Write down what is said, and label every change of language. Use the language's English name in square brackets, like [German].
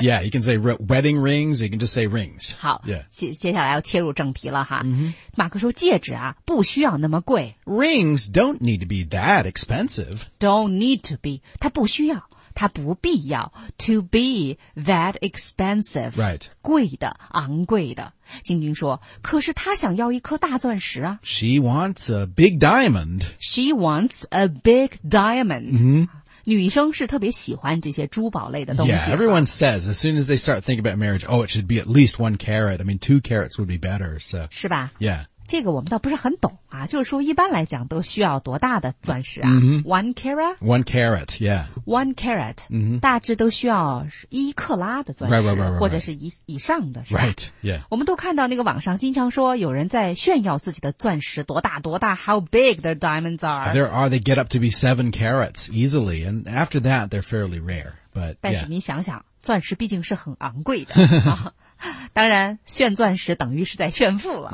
[English] Yeah, you can say wedding rings, you can just say rings. [Chinese] 好、 [English] yeah. [Chinese] 接下来要切入正题了哈、 mm-hmm. 马克说戒指啊不需要那么贵 [English] Rings don't need to be that expensive. Don't need to be, [Chinese] 它不需要它不必要 [English] To be that expensive. Right. [Chinese] 贵的昂贵的晶晶说可是她想要一颗大钻石啊 [English] She wants a big diamond. She wants a big diamond.、 Mm-hmm. [Chinese] 女生是特别喜欢这些珠宝类的东西。 [English] Yeah, everyone says, as soon as they start thinking about marriage, oh, it should be at least 1 carat. I mean, 2 carats would be better, so. [Chinese] 是吧 [English] ?Yeah. [Chinese] 这个我们倒不是很懂啊就是说一般来讲都需要多大的钻石啊、1 carat? [English] 1 carat, yeah. 1 carat,、 mm-hmm. [Chinese] 大致都需要1克拉的钻石。 [English] Right. [Chinese] 或者是以上的是吧 [English] ?Right, yeah. [Chinese] 我们都看到那个网上经常说有人在炫耀自己的钻石多大 , [English] how big their diamonds are. There are, they get up to be 7 carats easily, and after that they're fairly rare, but.、Yeah. [Chinese] 但是你想想钻石毕竟是很昂贵的。当然炫钻石等于是在炫富了、